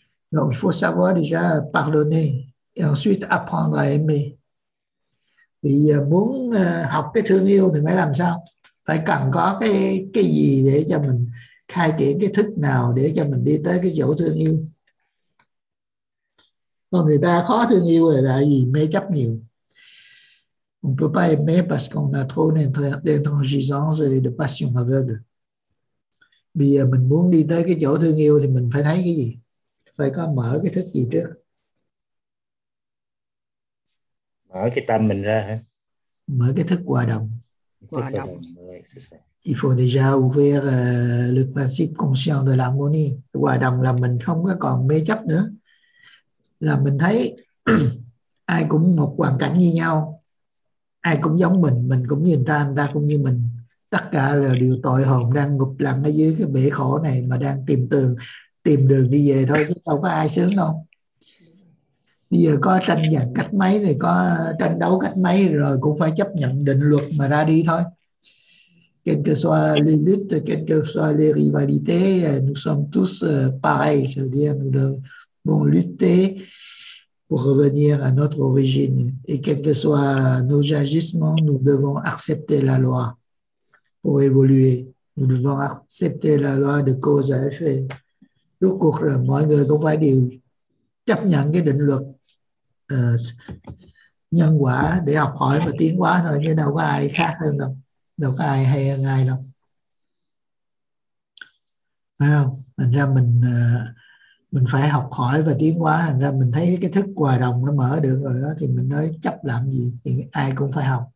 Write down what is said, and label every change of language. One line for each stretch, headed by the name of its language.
French: Donc, il faut savoir déjà pardonner et ensuite apprendre à aimer.
Vietnamese: Vì muốn học cái thương yêu thì phải làm sao? Phải cần có cái gì để cho mình khai triển cái thức nào để cho mình đi tới cái chỗ thương yêu. Còn người ta khó thương yêu là tại vì mê chấp nhiều.
French: On ne peut pas aimer parce qu'on a trop d'intransigeance et de passion aveugle.
Vietnamese: Vì mình muốn đi tới cái chỗ thương yêu thì mình phải thấy cái gì? Phải có mở cái thức gì trước, mở cái tâm mình ra hả, mở cái thức hòa đồng. Hòa đồng.
French: Il faut déjà ouvrir le principe conscient de l'harmonie.
Vietnamese: Hòa đồng là mình không có còn mê chấp nữa, là mình thấy ai cũng một hoàn cảnh như nhau, ai cũng giống mình cũng như anh ta cũng như mình. Tất cả là điều tội hồn đang ngục lặn ở dưới cái bể khổ này mà đang tìm đường đi về thôi, chứ đâu có ai sướng đâu. Bây giờ có tranh giành cách mấy thì có tranh đấu cách mấy rồi cũng phải chấp nhận định luật mà ra đi thôi.
French: Quelles que soient les luttes, quelles que soient les rivalités, nous sommes tous pareils. C'est-à-dire, nous devons lutter pour revenir à notre origine. Et quels que soient nos agissements, nous devons accepter la loi pour évoluer. Nous devons accepter la loi de cause à effet.
Vietnamese: Rốt cuộc là mọi người cũng phải đều chấp nhận cái định luật nhân quả để học hỏi và tiến hóa thôi, chứ đâu có ai khác hơn đâu, đâu có ai hay hơn ai đâu. Phải không? Thành ra mình phải học hỏi và tiến hóa, thành ra mình thấy cái thức hòa đồng nó mở được rồi đó, thì mình nói chấp làm gì thì ai cũng phải học.